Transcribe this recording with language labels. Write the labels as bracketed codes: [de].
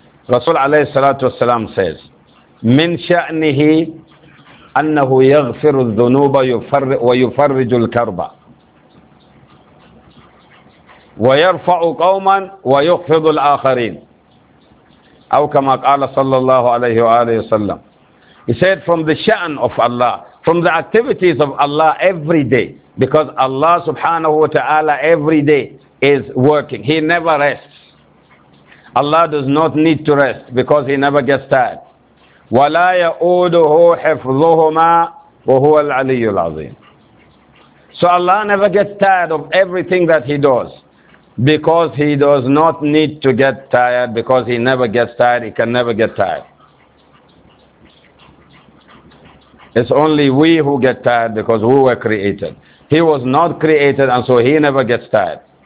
[ar] رسول عليه الصلاة والسلام says, من شأنه أنه يغفر الذنوب ويفرج الكربة ويرفع قوما ويخفض الآخرين. أو كما قال صلى الله عليه وآله وسلم, [en] he said from the shan of Allah, from the activities of Allah every day, because Allah subhanahu wa ta'ala every day is working, he never rests. Allah does not need to rest because he never gets tired. [ar] ولا يؤوده حفظهما وهو العلي العظيم. [en] So Allah never gets tired of everything that he does, because he does not need to get tired, because he never gets tired, he can never get tired. It's only we who get tired because we were created. He was not created, and so he never gets tired.